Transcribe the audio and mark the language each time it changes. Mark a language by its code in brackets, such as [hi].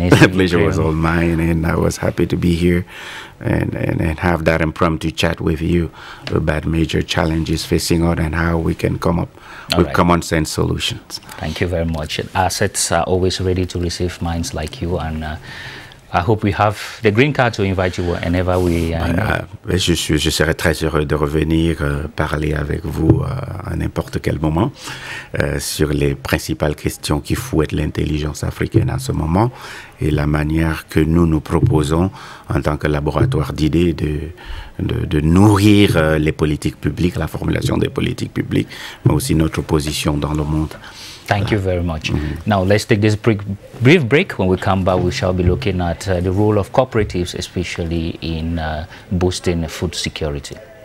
[en] Asia. The pleasure was all mine, and I was happy to be here and have that impromptu chat with you about major challenges facing us and how we can come up with common sense solutions. Thank you very much. Assets are always ready to receive minds like you, and I hope we have the green card to invite you whenever we [fr] Je serai très heureux de revenir parler avec vous à n'importe quel moment sur les principales questions qui fouettent l'intelligence africaine en ce moment, et la manière que nous nous proposons en tant que laboratoire d'idées de nourrir les politiques publiques, la formulation des politiques publiques, mais aussi notre position dans le monde. [en] Thank you very much. Now, let's take this brief break. When we come back, we shall be looking at the role of cooperatives, especially in boosting food security.